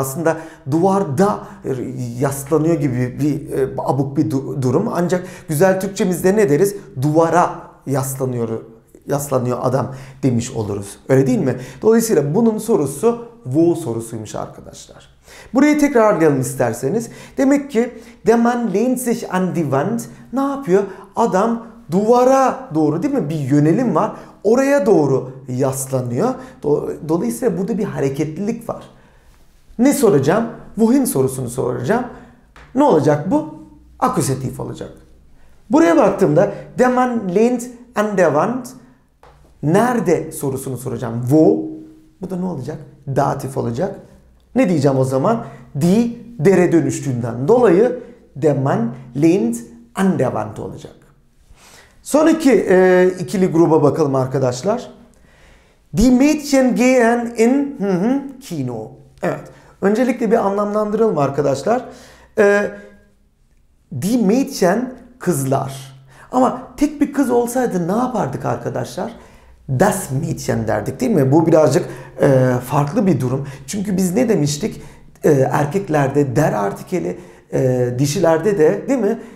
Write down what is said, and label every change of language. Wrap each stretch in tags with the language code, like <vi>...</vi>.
<tr>Aslında duvarda yaslanıyor gibi bir abuk bir durum. Ancak güzel Türkçemizde ne deriz? Duvara yaslanıyor. Yaslanıyor adam demiş oluruz. Öyle değil mi? Dolayısıyla bunun sorusu wo sorusuymuş arkadaşlar. Burayı tekrarlayalım isterseniz. Demek ki</tr> <de>der Mann lehnt sich an die Wand.</de> <tr>Ne yapıyor? Adam duvara doğru, değil mi? Bir yönelim var. Oraya doğru yaslanıyor. Dolayısıyla burada bir hareketlilik var. Ne soracağım? Wohin sorusunu soracağım. Ne olacak bu? Akusatif olacak. Buraya baktığımda</tr> <de>der Mann lehnt an der Wand,</de> <tr>nerede sorusunu soracağım. Wo, bu da ne olacak? Datif olacak. Ne diyeceğim o zaman?</tr> <de>Die,</de> <tr>dere dönüştüğünden dolayı</tr> <de>der Mann lehnt an der Wand</de> <tr>olacak. Sonraki ikili gruba bakalım arkadaşlar.</tr> <de>Die Mädchen gehen in Kino.</de> <tr>Evet. Öncelikle bir anlamlandıralım arkadaşlar.</tr> <de>Die Mädchen</de> <tr>kızlar. Ama tek bir kız olsaydı ne yapardık arkadaşlar?</tr> <de>Das Mädchen</de> <tr>derdik, değil mi? Bu birazcık farklı bir durum. Çünkü biz ne demiştik? Erkeklerde der artikeli, dişilerde de, değil mi?</tr>